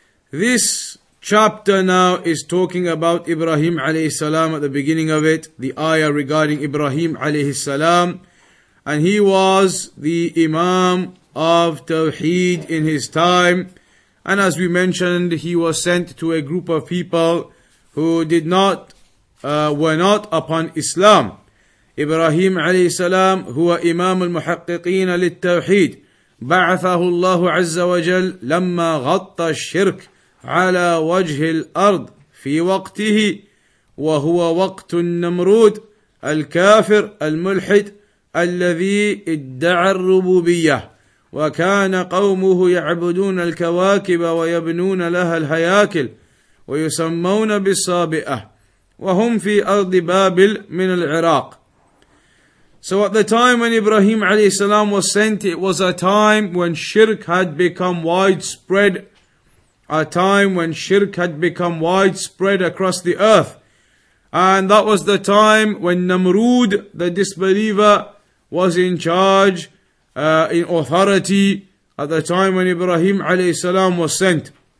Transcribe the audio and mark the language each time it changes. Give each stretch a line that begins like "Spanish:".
English: This chapter now is talking about Ibrahim alayhi salam at the beginning of it, the ayah regarding Ibrahim alayhi salam, and he was the imam of Tawheed in his time, and as we mentioned, he was sent to a group of people who were not upon Islam.
Arabic: Ibrahim alayhi salam, huwa imam al-muhaqqiqin lit-tawheed, ba'athahu Allahu azza wa jal lamma ghatta ash-shirk على وجه الأرض في وقته وهو وقت النمرود الكافر الملحد الذي ادعى الربوبية وكان قومه يعبدون الكواكب ويبنون لها الهياكل ويسمون بالصابئة وهم في أرض بابل من العراق.
English: So at the time when Ibrahim عليه السلام was sent, it was a time when shirk had become widespread, a time when shirk had become widespread across the earth. And that was the time when Namrud, the disbeliever, was in charge, in authority, at the time when Ibrahim alayhi salam was sent.